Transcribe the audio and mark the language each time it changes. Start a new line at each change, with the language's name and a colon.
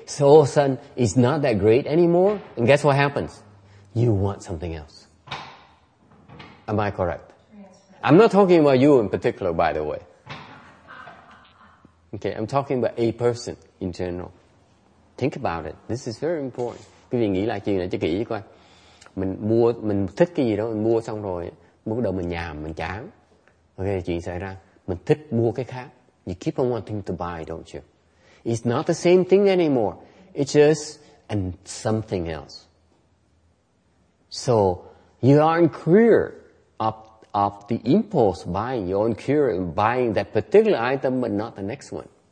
English: So all of a sudden, it's not that great anymore, and guess what happens? You want something else. Am I correct? Yes, I'm not talking about you in particular, by the way. Okay, I'm talking about a person in general. Think about it. This is very important.
Vietnamese: Cái việc nghĩ lại chuyện này cho kỹ coi. Mình thích cái gì đó, mình mua xong rồi, bắt đầu mình nhàm, mình chán. Okay, chuyện xảy ra. Mình thích mua cái khác.
English: You keep on wanting to buy, don't you? It's not the same thing anymore. It's just and something else. So, you aren't clear of the impulse buying, your own curious buying that particular item, but not the next one.